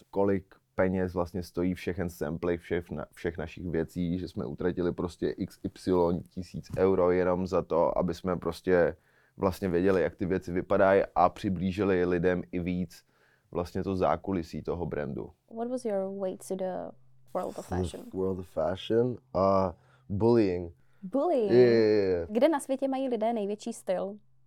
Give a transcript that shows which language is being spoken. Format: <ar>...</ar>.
<cs>Kolik peněz vlastně stojí všechen sample všech našich věcí, že jsme utratili prostě XY tisíc euro jenom za to, aby jsme prostě vlastně věděli, jak ty věci vypadají a přiblížili lidem i víc vlastně to zákulisí toho brandu.</cs> <en>What was your way to the world of fashion? Bullying. Bullying? Yeah.</en> <cs>Kde na světě mají lidé největší styl?</cs>